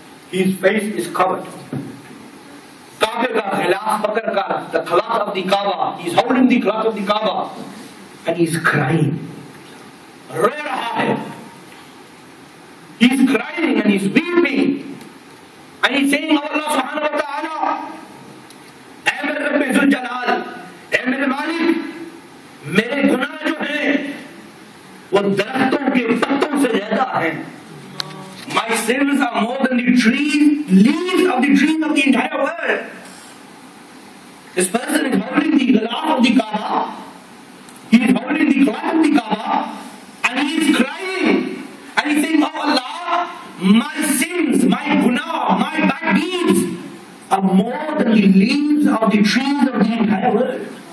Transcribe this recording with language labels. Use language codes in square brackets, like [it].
[en] His face is covered. [ur] Kaabe ka ghilaaf pakar kar, [en] the cloth of the Kaaba, he is holding the cloth of the Kaaba. And he is crying. [ur] Ro raha hai. [en] He is crying and he is weeping. And he is saying, oh Allah subhanahu wa ta'ala, [ur] اے میرے رب ذوالجلال, اے میرے مالک, میرے گناہ جو ہیں وہ درختوں کے پتوں سے زیادہ ہیں. [en] My sins are more than the trees, leaves of the trees of the entire world. This person is holding the glass of the Kaaba. He is holding the glass of the Kaaba and he is crying and he is saying, oh Allah, my sins, my gunah, my bad deeds are more than the leaves of the trees of the entire world.